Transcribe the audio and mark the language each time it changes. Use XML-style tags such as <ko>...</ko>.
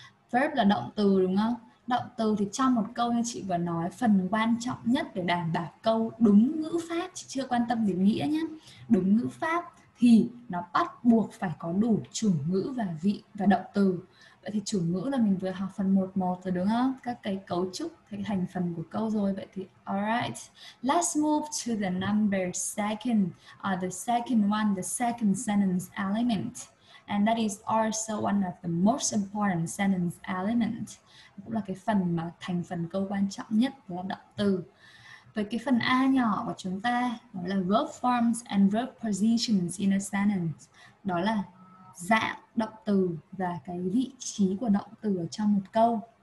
<vi>Verb là động từ đúng không? Động từ thì trong một câu như chị vừa nói, phần quan trọng nhất để đảm bảo câu đúng ngữ pháp, chị chưa quan tâm đến nghĩa nhé, đúng ngữ pháp thì nó bắt buộc phải có đủ chủ ngữ và vị và động từ. Vậy thì chủ ngữ là mình vừa học phần 1-1 rồi đúng không? Các cái cấu trúc, cái thành phần của câu rồi. Vậy thì</vi> <en>alright, let's move to the number second, the second sentence element. And that is also one of the most important sentence element.</en> <vi>Cũng là cái phần mà thành phần câu quan trọng nhất là động từ. Với cái phần A nhỏ của chúng ta đó là</vi> <en>verb forms and verb positions in a sentence.</en> <vi>Đó là dạng động từ và cái vị trí của động từ ở trong một câu.</vi>